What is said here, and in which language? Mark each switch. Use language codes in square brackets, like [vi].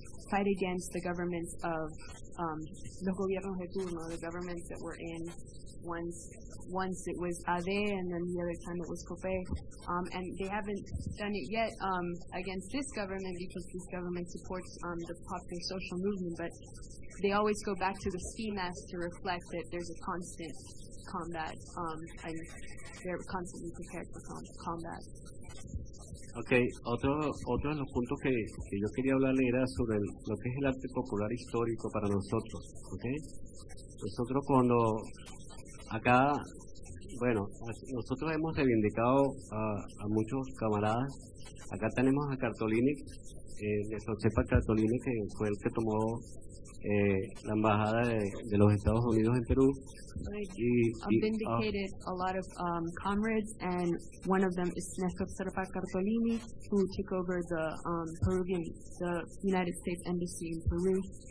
[en] fight against the governments of the [es] gobiernos de turno, [en] the governments that were in once it was Ade, and then the other time it was Copé, and they haven't done it yet against this government because this government supports the popular social movement, but they always go back to the ski mask to reflect that there's a constant combat, and they're constantly prepared for combat. [es] Okay, otro de los puntos que yo quería hablarle era sobre lo que es el arte popular histórico para nosotros, ¿okay? Nosotros cuando acá, bueno, nosotros hemos reivindicado a muchos camaradas. Acá tenemos a Cartolini, nuestro Chepa Cartolini, que fue el que tomó la embajada de los Estados Unidos en Perú. [en] I've vindicated a lot of comrades, and one of them is Nestor Serpa Cartolini, who took over the United States Embassy in Peru.